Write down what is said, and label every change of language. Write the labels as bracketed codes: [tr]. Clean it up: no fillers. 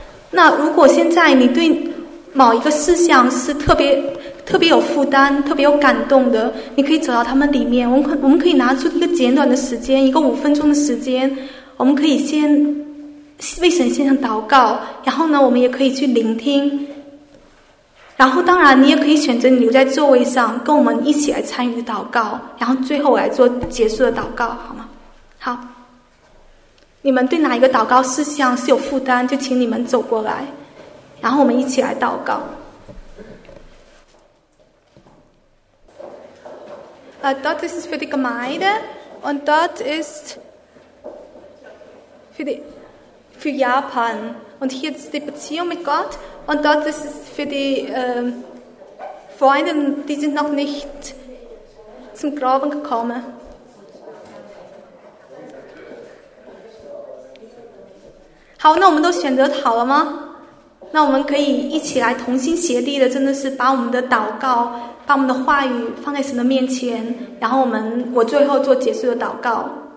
[zh] 那如果现在你对某一个事项是特别特别有负担，特别有感动的，你可以走到他们里面，我们可以拿出一个简短的时间，一个五分钟的时间，我们可以先为神献上祷告，然后呢我们也可以去聆听，然后当然你也可以选择你留在座位上跟我们一起来参与祷告，然后最后来做结束的祷告好吗？好，你们对哪一个祷告事项是有负担，就请你们走过来，然后我们一起来祷告。 [de] Dort ist es für die Gemeinde und dort ist für Japan und hier ist die Beziehung mit Gott und dort ist es für die Freunde, die sind noch nicht zum Glauben gekommen. Haben wir uns schon entschieden? [zh] 那我们可以一起来同心协力的，真的是把我们的祷告，把我们的话语放在神的面前，然后我最后做结束的祷告。